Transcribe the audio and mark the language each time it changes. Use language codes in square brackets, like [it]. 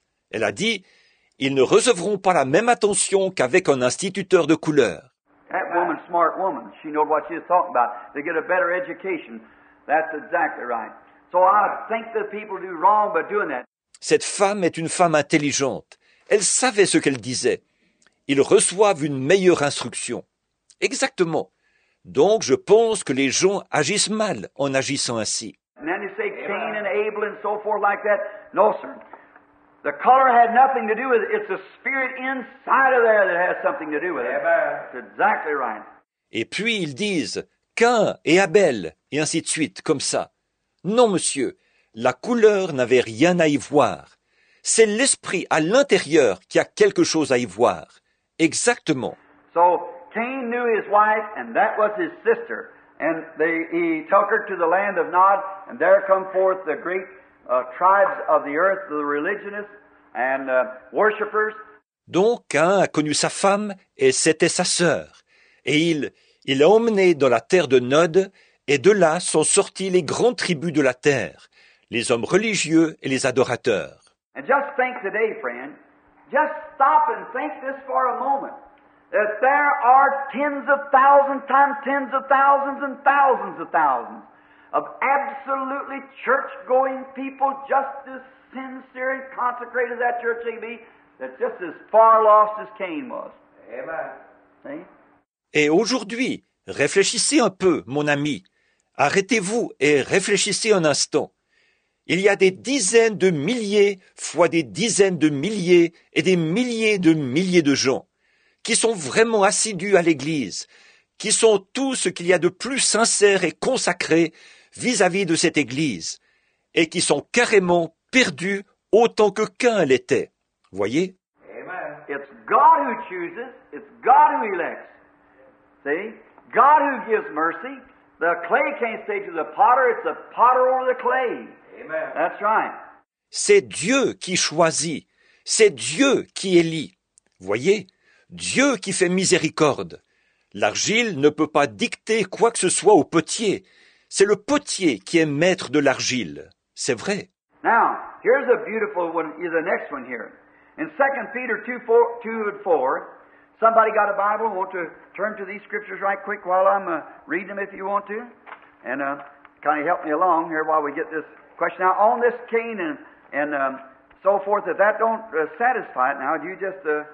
[fr] Elle a dit, ils ne recevront pas la même attention qu'avec un instituteur de couleur. [en] That woman, smart woman, she knows what she's talking about. They get a better education. That's exactly right. So I think the people do wrong by doing that. [fr] Cette femme est une femme intelligente. Elle savait ce qu'elle disait. Ils reçoivent une meilleure instruction. Exactement. Donc je pense que les gens agissent mal en agissant ainsi. [en] And then they say Cain and Abel and so forth like that. No, sir. The color had nothing to do with it. It's the spirit inside of there that has something to do with it. Amen. That's exactly right. [fr] Et puis ils disent Cain et Abel et ainsi de suite, comme ça. Non, monsieur, la couleur n'avait rien à y voir. C'est l'esprit à l'intérieur qui a quelque chose à y voir. Exactement. [en] So Cain knew his wife and that was his sister. And he took her to the land of Nod, and there come forth the great tribes of the earth, the religionists and worshippers. [fr] Donc Cain a connu sa femme, et c'était sa sœur. Et il l'a emmené dans la terre de Nod, et de là sont sortis les grandes tribus de la terre, les hommes religieux et les adorateurs. [en] And just think today, friend, just stop and think this for a moment. That there are tens of thousands times tens of thousands and thousands of thousands of absolutely church-going people just as sincere and consecrated as that church may be, that's just as far lost as Cain was. Amen. See? [fr] Et aujourd'hui, réfléchissez un peu, mon ami. Arrêtez-vous et réfléchissez un instant. Il y a des dizaines de milliers fois des dizaines de milliers et des milliers de milliers de gens qui sont vraiment assidus à l'Église, qui sont tout ce qu'il y a de plus sincère et consacré vis-à-vis de cette Église, et qui sont carrément perdus autant que Cain l'était. Voyez? Amen. [en] It's God who chooses, it's God who elects. See? God who gives mercy. The clay can't say to the potter, it's the potter over the clay. Amen. That's right. [fr] C'est Dieu qui choisit, c'est Dieu qui élit. Voyez? Dieu qui fait miséricorde. L'argile ne peut pas dicter quoi que ce soit au potier. C'est le potier qui est maître de l'argile. C'est vrai. [en] Now, here's a beautiful one, the next one here. In 2 Peter 2:4, somebody got a Bible, want to turn to these scriptures right quick while I'm reading them if you want to? And kind of help me along here while we get this question. Now, on this Cain and so forth, if that don't satisfy it now, you just...